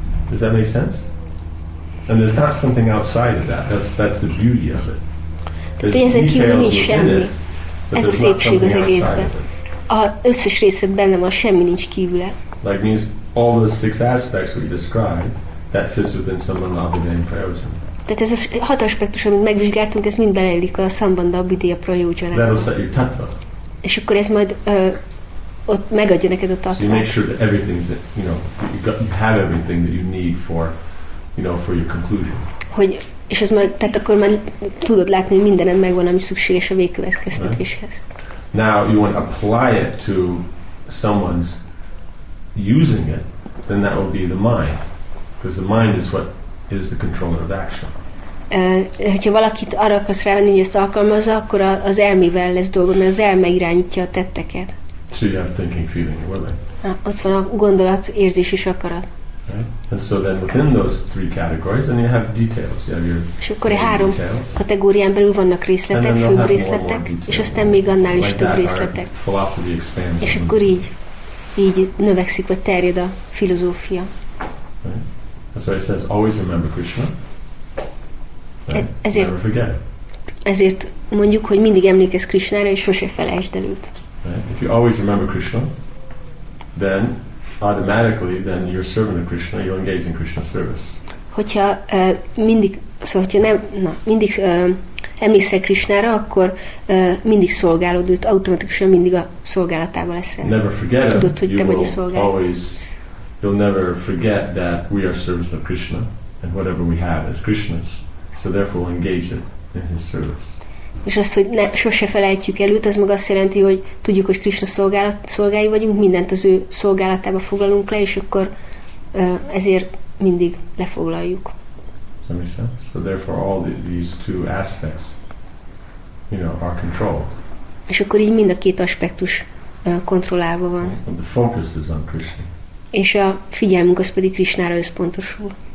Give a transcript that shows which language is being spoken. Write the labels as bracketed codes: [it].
[en] Does that make sense? And there's not something outside of that. That's the beauty of it. There's details within it. [hu] But ez a szépség az egészben. Az összes részed benne van, semmi nincs kívüle. [en] Like means all the six aspects we described that fits within Sambandha Abhidhyaya Prayojana. [hu] Tehát ez a hat aspektus, amit megvizsgáltunk, ez mind beleillik a Sambandha Abhidhyaya Prayojana. [en] That'll set your tattva. [hu] És akkor ez majd ott megadja neked a tattvát. [en] So you make sure that everything's, you know, you have everything that you need for, you know, for your conclusion. [hu] Hogy és ez majd, tehát akkor már tudod látni, hogy mindened megvan, ami szükséges a végkövetkeztetéshez. [en] Now you want to apply it to someone's using it, then that would be the mind, because the mind is what is the controller of action. [hu] Hogyha valakit arra akarsz rávenni, hogy ezt alkalmazza, akkor az elmével lesz dolgod, mert az elme irányítja a tetteket. [en] Sriram thinking, feeling, willing. [hu] Ott van a gondolat, érzés és akarat. [en] Right? And so then within those three categories, and you have details, you have your [hu] és akkor a három kategórián belül vannak részletek, fő részletek, és aztán még annál is több részletek. És akkor így növekszik, vagy terjed a filozófia. [en] Right? So he says, always remember Krishna. Right? [hu] Ezért, [en] never forget. [hu] Ezért mondjuk, hogy mindig emlékezz Krishnára, és sose felejtsd el őt. [en] Right? If you always remember Krishna, then automatically, then you're serving Krishna, you're engaged in Krishna service. [hu] Hogyha mindig, szóval, hogyha nem, na, mindig emlékszel Krishnára, akkor mindig szolgálod őt, automatikusan mindig a szolgálatába leszel. [en] Never forget [hu] tudod, hogy [en] you [hu] te vagy a szolgálat. [en] Always, you'll never forget that we are servants of Krishna, and whatever we have is Krishna's, so therefore we'll engage it in his service. [hu] És azt, hogy ne, sose felejtjük el őt, az meg azt jelenti, hogy tudjuk, hogy Krishna szolgái vagyunk, mindent az ő szolgálatába foglalunk le, és akkor ezért mindig lefoglaljuk. [en] So therefore all these two aspects, you know, are controlled. [hu] És akkor így mind a két aspektus kontrollálva van. [en] And the focus is on Krishna. [hu] És a figyelmünk az pedig Krishnára összpontosul.